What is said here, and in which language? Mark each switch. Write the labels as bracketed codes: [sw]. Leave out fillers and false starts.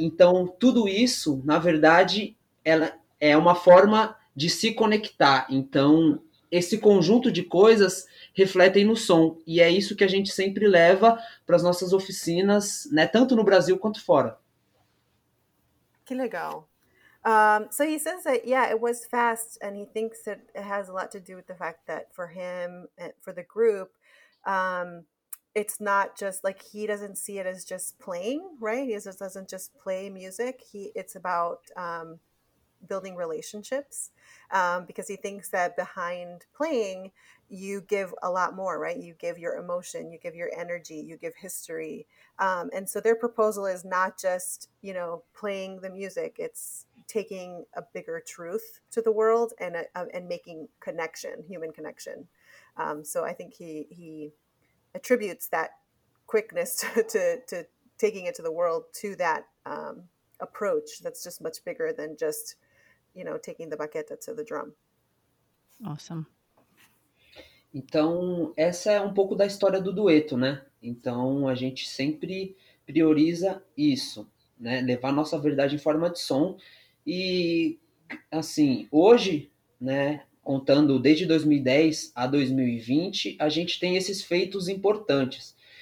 [pt] Então, tudo isso, na verdade, ela é uma forma de se conectar. Então, esse conjunto de coisas refletem no som. E é isso que a gente sempre leva para as nossas oficinas, né, tanto no Brasil quanto fora. Que legal. [en] So he says that, yeah, it was fast, and he thinks that it has a lot to do with the fact that for him, for the group, it's not just, like, he doesn't see it as just playing, right? He just doesn't just play music. It's about building relationships, because he thinks that behind playing, you give a lot more, right? You give your emotion, you give your energy, you give history. And so their proposal is not just, you know, playing the music. It's taking a bigger truth to the world and making connection, human connection. So I think he attributes that quickness to taking it to the world to that approach that's just much bigger than just, you know, taking the baqueta to the drum. Awesome. [pt] Então, essa é um pouco da história do DuettO, né? Então, a gente sempre prioriza isso, né? Levar nossa verdade em forma de som. E, assim, hoje, né, contando desde 2010 a 2020, a gente tem esses feitos importantes.